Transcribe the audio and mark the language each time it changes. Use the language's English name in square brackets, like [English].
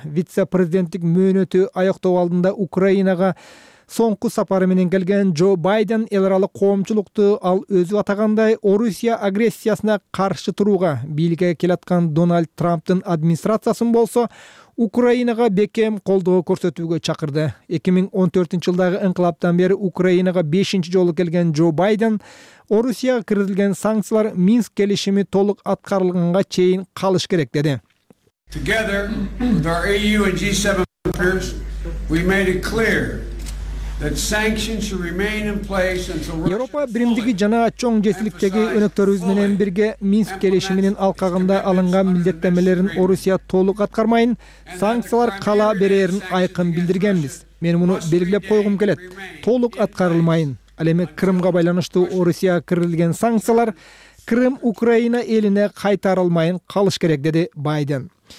[Kyrgyz] Вице-президенттик мөөнөтү аяктоо алдында Украинага соңку сапары менен келген Джо Байден эл аралык коомчулукту ал өзү атагандай Орусия агрессиясына каршы турууга бийликке келаткан Дональд Трамптын администрациясын болсо Украинага бекем колдоо көрсөтүүгө чакырды. 2014-жылдагы инкылаптан бери Украинага 5-чи жолу келген Джо Байден Орусияга киргизилген санкциялар Минск келишими толук аткарылганга чейин калыш керек деди. [English] Together with our EU and G7 partners, we made it clear that sanctions should remain in place until Russia. [Kyrgyz] Европа биримдиги жана чоң жетиликтеги өнөктөрүбүз менен бирге Минск келишиминин алкагында алынган милдеттенмелерин Орусия толук аткармайын, санкциялар кала берерин айкын билдиргенбиз. Мен муну белгилеп койгум келет. Толук аткарылмайын. Ал эми Крымга байланыштуу Орусияга киргизилген санкциялар Крым Украина элине кайтарылмайын калыш керек деди Байден.